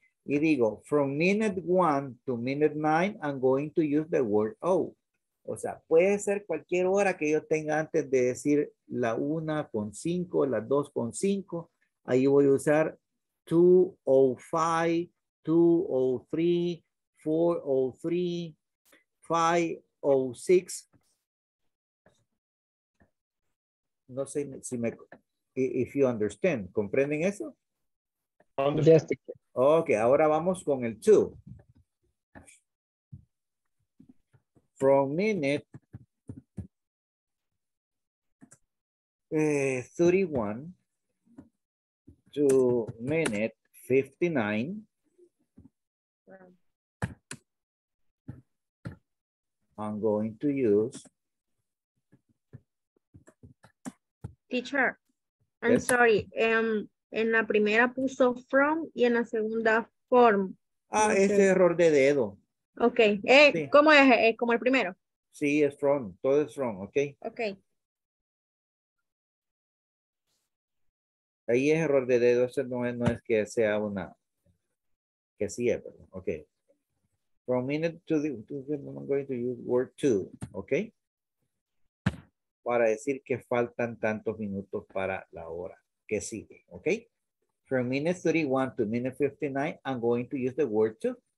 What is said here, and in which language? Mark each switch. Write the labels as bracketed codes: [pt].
[es] Y digo, [en] from minute 1 to minute 9, I'm going to use the word oh. [es] O sea, puede ser cualquier hora que yo tenga antes de decir la 1:05, la 2:05. Ahí voy a usar 2:05, 2:03, 4:03, 5:06. No sé si me, [en] if you understand. [es] ¿Comprenden eso? [en] Understand. [es] Ok, ahora vamos con el 2. [en] From minute 31 to minute 59, I'm going to use. Teacher, I'm yes. Sorry. [es] En la primera puso from y en la segunda form. Ah, no ese sé. Error de dedo. Ok. Sí. ¿Cómo es? ¿Como el primero? Sí, es from. Todo es from. Ok. Ok. Ahí es error de dedo. Eso no es que sea una. Que sí es, perdón. Ok. [en] From minute to the. I'm going to use word two. Ok. [es] Para decir que faltan tantos minutos para la hora. Que sigue, ok. [en] From minute 31 to minute 59, I'm going to use the word to.